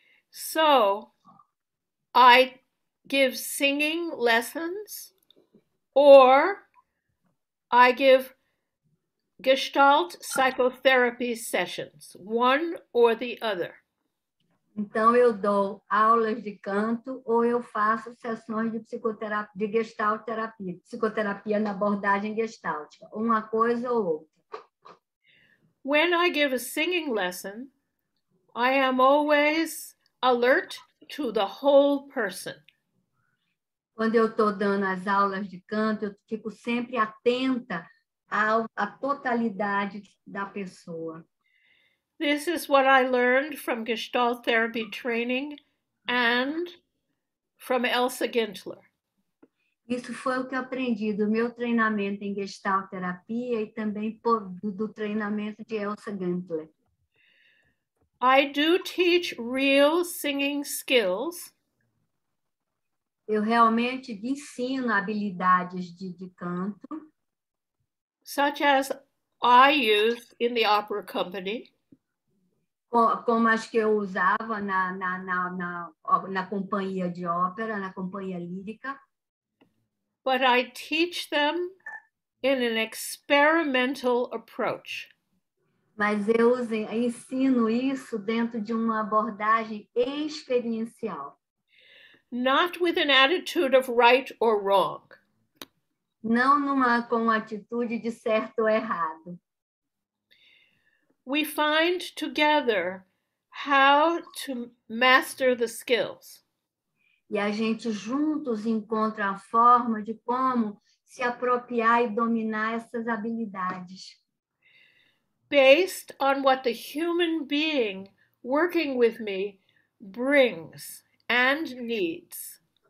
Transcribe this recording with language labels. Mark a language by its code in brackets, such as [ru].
[en] So, I give singing lessons, or I give Gestalt psychotherapy sessions, one or the other. [pt] Então, eu dou aulas de canto ou eu faço sessões de psicoterapia, de Gestalt terapia, psicoterapia na abordagem gestáltica, uma coisa ou outra. [en] When I give a singing lesson, I am always alert to the whole person. [pt] Quando eu estou dando as aulas de canto, eu fico sempre atenta à totalidade da pessoa. [en] This is what I learned from Gestalt therapy training and from Elsa Gintler. [pt] Isso foi o que eu aprendi do meu treinamento em Gestalt terapia e também do treinamento de Elsa Gintler. [en] I do teach real singing skills. [pt] Eu realmente ensino habilidades de canto. [en] Such as I use in the opera company. [pt] Como as que eu usava na companhia de ópera, na companhia lírica. [en] But I teach them in an experimental approach. [pt] Mas eu ensino isso dentro de uma abordagem experiencial. [en] Not with an attitude of right or wrong. [pt] Não com uma atitude de certo ou errado. [en] We find together how to master the skills. [pt] E a gente juntos encontra a forma de como se apropriar e dominar essas habilidades. [en] Based on what the human being working with me brings and needs.